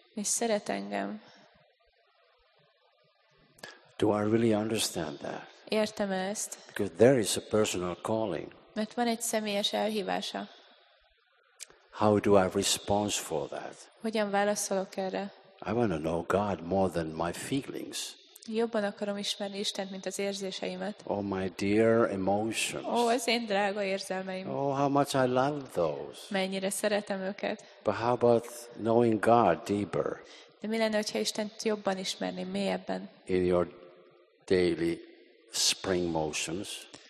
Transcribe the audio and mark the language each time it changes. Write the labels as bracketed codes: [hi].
[hu] És szeret engem. [en] Do I really understand that? [hu] Értem ezt. [en] Because there is a personal calling. [hu] Mert van egy személyes elhívása. [en] How do I respond for that? [hu] Hogyan válaszolok erre? [en] I want to know God more than my feelings. [hu] Jobban akarom ismerni Istent, mint az érzéseimet. [en] Oh, my dear emotions. [hu] Ó, az én drága érzelmeim. [en] Oh, how much I love those. [hu] Mennyire szeretem őket. [en] But how about knowing God deeper? [hu] De mi lenne, hogyha Istent jobban ismerni, mélyebben? [en] In your daily spring motions.